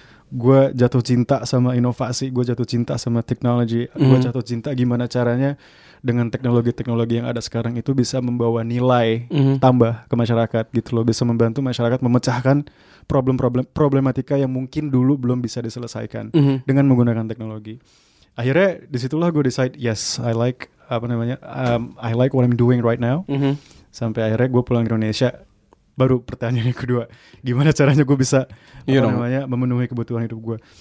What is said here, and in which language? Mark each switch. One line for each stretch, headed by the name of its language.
Indonesian: gue jatuh cinta sama inovasi, gue jatuh cinta sama teknologi, gue jatuh cinta gimana caranya dengan teknologi-teknologi yang ada sekarang itu bisa membawa nilai tambah ke masyarakat gitu loh, bisa membantu masyarakat memecahkan problematika yang mungkin dulu belum bisa diselesaikan dengan menggunakan teknologi. Akhirnya disitulah gue
English: decide, yes, I like apa namanya, I like what I'm doing right now.
Indonesian: Sampai akhirnya gue pulang ke Indonesia. Baru pertanyaan yang kedua, gimana caranya gue bisa namanya memenuhi kebutuhan hidup gue.